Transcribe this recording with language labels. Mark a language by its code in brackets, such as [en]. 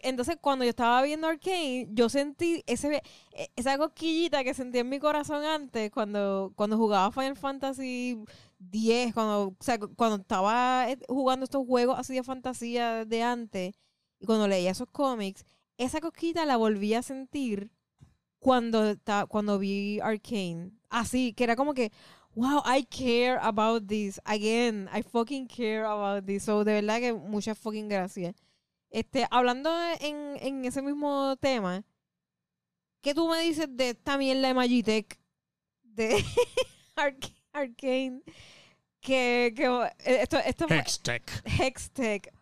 [es] Entonces, cuando yo estaba viendo Arcane, yo sentí esa cosquillita que sentí en mi corazón antes cuando jugaba Final Fantasy X, cuando estaba jugando estos juegos así de fantasía de antes, y cuando leía esos cómics... Esa cosquita la volví a sentir cuando vi Arcane. Así, que era como que, wow, [en] I care about this. Again, I fucking care about this. [es] So, de verdad que muchas fucking gracias. Hablando en ese mismo tema, ¿qué tú me dices de esta mierda de Magitech? De Arcane. Que esto Hextech,